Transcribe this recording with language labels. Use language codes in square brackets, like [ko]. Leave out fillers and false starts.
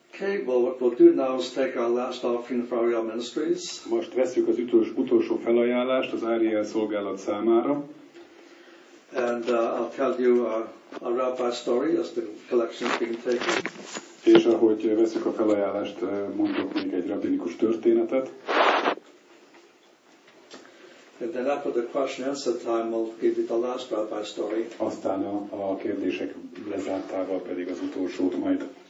[en] Okay, well, what we'll do now is take our last offering for Ariel Ministries. [hu] Most veszük az utolsó felajánlást az Ariel szolgálat számára. [en] And I'll tell you a rabbi story as the collection is being taken. [hu] És ahogy veszük a felajánlást, mondok még egy rabbinikus történetet. [en] And then after the question and answer time, I'll give you the last rabbi story. [hu] Aztán a kérdések lezártával pedig az utolsót majd.